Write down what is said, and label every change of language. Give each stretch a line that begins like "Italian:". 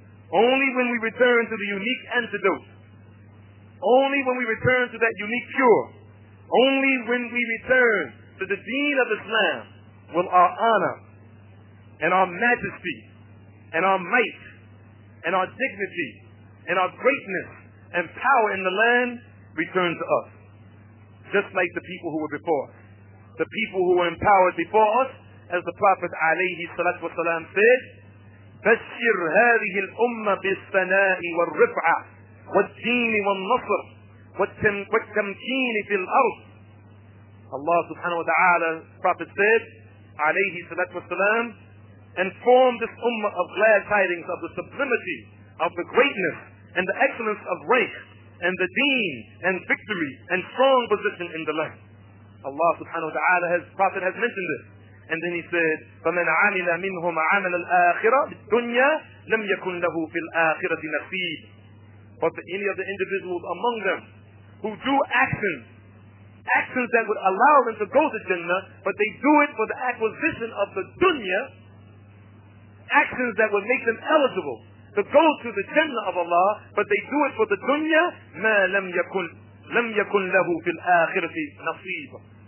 English: Only when we return to the unique antidote, only when we return to that unique cure, only when we return to the deen of Islam, will our honor and our majesty and our might and our dignity and our greatness and power in the land return to us. Just like the people who were before us. The people who were empowered before us, as the Prophet alayhi salatu wasalam said,
Arabic: بشر هذه الأمة بالثناء والرفعة والدين والنصر والتمكين في الأرض.
English: Allah subhanahu wa ta'ala, Prophet said, alayhi salatu wasalam, inform this ummah of glad tidings of the sublimity of the greatness and the excellence of rank and the deen and victory and strong position in the land. Allah subhanahu wa ta'ala, has Prophet has mentioned this. And then he said,
Arabic: فَمَنْ عَمِلَ مِنْهُمْ عَمَلَ الْآخِرَةِ بِالدُّنْيَا لَمْ يَكُنْ لَهُ فِي الْآخِرَةِ نَصِيبٍ.
English: But for any of the individuals among them who do actions that would allow them to go to Jannah, but they do it for the acquisition of the dunya, actions that would make them eligible to go to the Jannah of Allah, but they do it for the dunya,
Arabic: مَا لَمْ يَكُنْ لَهُ فِي الْآخِرَةِ نَصِيبًا.